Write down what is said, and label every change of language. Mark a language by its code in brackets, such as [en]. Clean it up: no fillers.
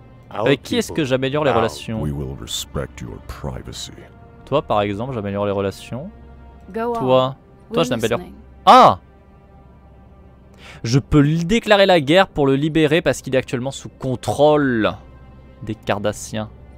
[fr] Avec qui est-ce que j'améliore les relations? [en] We will respect your privacy. [fr] Toi, par exemple, j'améliore les relations. [en] Go on. [fr] Toi, je l'améliore. Ah! Je peux déclarer la guerre pour le libérer parce qu'il est actuellement sous contrôle des Cardassiens.